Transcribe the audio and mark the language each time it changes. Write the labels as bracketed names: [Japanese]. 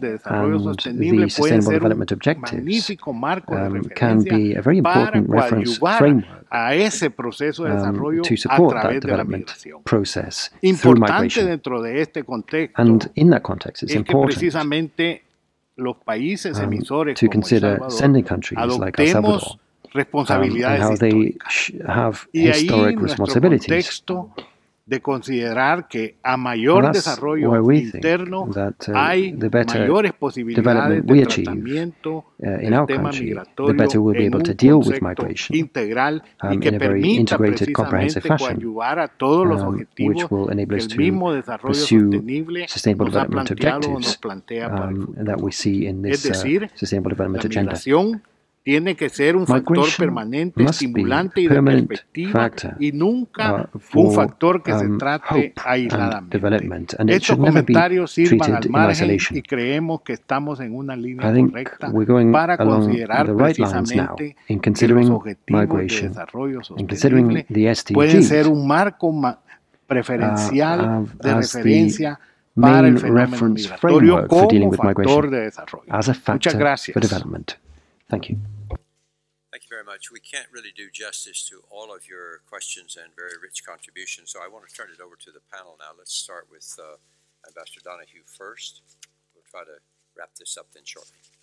[English] the sustainable development objectives can be a very important reference framework to support that development process through migration. And in that context, it's important to consider sending countries like El Salvador and how they have historic responsibilities. [Spanish] De considerar que a mayor desarrollo interno hay mayores posibilidades de tratamiento en el tema migratorio en un concepto integral y que permita precisamente coadyuvar a todos los objetivos que el mismo desarrollo sostenible nos ha planteado o nos plantea para el futuro. Es decir, la migración tiene que ser un factor permanente, estimulante y de perspectiva, y nunca un factor que se trate aisladamente. Estos comentarios sirvan al margen y creemos que estamos en una línea correcta para considerar precisamente que los objetivos de desarrollo sostenible pueden ser un marco preferencial de referencia para el fenómeno migratorio como factor de desarrollo. Muchas gracias. [English] Thank you. Thank you very much. We can't really do justice to all of your questions and very rich contributions, so I want to turn it over to the panel now. Let's start with Ambassador Donoghue first. We'll try to wrap this up then shortly.